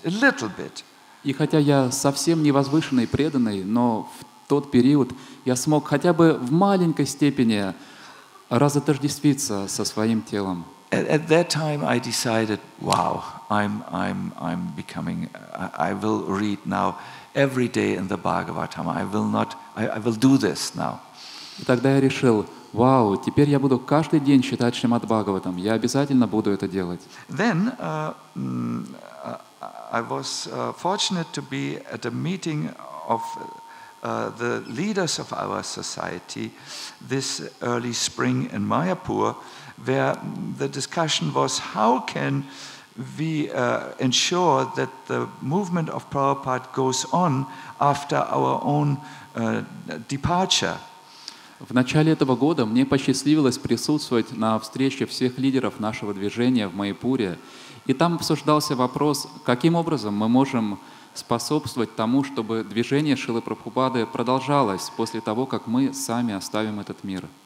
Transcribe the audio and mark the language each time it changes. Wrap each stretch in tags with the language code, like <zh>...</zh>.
<en>A little bit.</en> <ru>И хотя я совсем не возвышенный преданный, но в тот период я смог хотя бы в маленькой степени разотождествиться со своим телом.</ru> <en>At that time I decided, wow, I'm becoming, I will read now every day in the Bhagavatam. I will do this now.</en> <ru>И тогда я решил, вау, теперь я буду каждый день читать Шримад Бхагаватам. Я обязательно буду это делать.</ru> <en>Then I was fortunate to be at a meeting of the leaders of our society this early spring in Mayapur, where the discussion was how can we ensure that the movement of Prabhupada goes on after our own departure.</en> <ru>В начале этого года мне посчастливилось присутствовать на встрече всех лидеров нашего движения в Майпуре, и там обсуждался вопрос, каким образом мы можем способствовать тому, чтобы движение Шрилы Прабхупады продолжалось после того, как мы сами оставим этот мир.</ru>